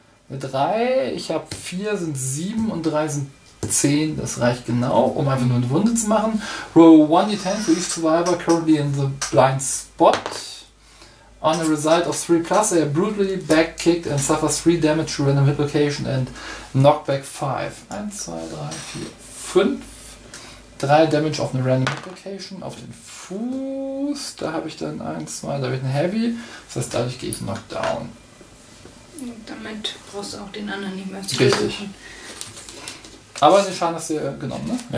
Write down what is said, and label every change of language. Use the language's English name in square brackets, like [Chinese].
[German] 3, ich habe 4 sind 7 und 3 sind 10, das reicht genau, um einfach nur eine Wunde zu machen. [English] Roll 1d10 for each survivor currently in the blind spot. On a result of 3 plus, they are brutally backkicked and suffer 3 damage to random hit location and knockback 5. 1, 2, 3, 4, 5. [German] 3 damage auf eine [English] random hit location, [German] auf den Fuß. Da habe ich dann 1, 2, da habe ich eine Heavy. Das heißt, dadurch gehe ich Knockdown. Und damit brauchst du auch den anderen nicht mehr zu suchen. Richtig. Aber den Schaden hast du genommen, ne?